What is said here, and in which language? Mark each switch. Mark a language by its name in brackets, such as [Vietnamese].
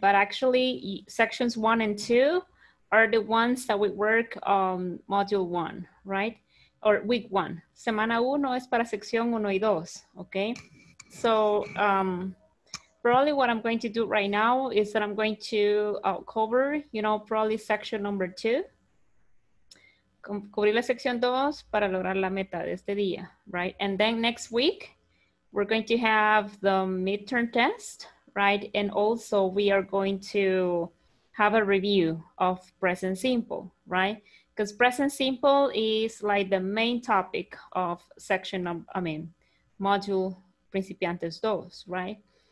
[English] But actually sections 1 and 2 are the ones that we work on module 1, right? Or week 1. [Spanish] Semana 1 es para sección 1 y 2, [English] okay? So probably what I'm going to do right now is that I'm going to cover, you know, probably section number 2. [Spanish] Cubrir la sección 2 para lograr la meta de este día, right? [English] And then next week, we're going to have the midterm test, right? And also we are going to have a review of present simple, right? Because present simple is like the main topic of section, module [Spanish] principiantes dos, [English] right?